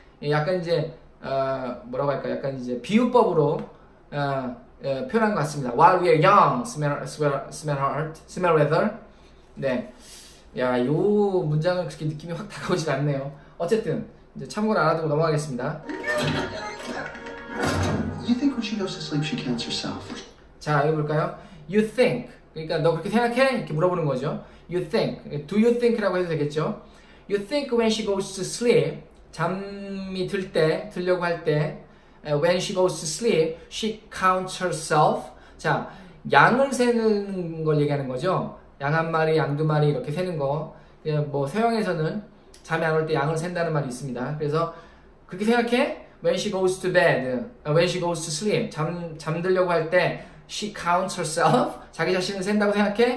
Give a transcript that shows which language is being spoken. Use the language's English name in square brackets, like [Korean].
[Korean] 약간 이제, 뭐라고 할까, 약간 이제 비유법으로, 표현한 것 같습니다. [English] While we are young, smell weather. 네. [Korean] 야, 요 문장은 그렇게 느낌이 확 다가오진 않네요. 어쨌든. 이제 참고를 알아두고 넘어가겠습니다. [English] You think when she goes to sleep she counts herself? [Korean] 자, 여기 볼까요? [English] You think. [Korean] 그러니까 너 그렇게 생각해? 이렇게 물어보는 거죠. [English] You think. Do you think [Korean] 라고 해도 되겠죠? [English] You think when she goes to sleep. [Korean] 잠이 들 때, 들려고 할 때. [English] When she goes to sleep, she counts herself. [Korean] 자, 양을 세는 걸 얘기하는 거죠. 양 한 마리, 양 두 마리 이렇게 세는 거. 뭐 서양에서는 잠이 안 올 때 양을 센다는 말이 있습니다. 그래서 그렇게 생각해? [English] When she goes to bed, when she goes to sleep, [Korean] 잠들려고 할 때 [English] she counts herself, [Korean] 자기 자신을 센다고 생각해?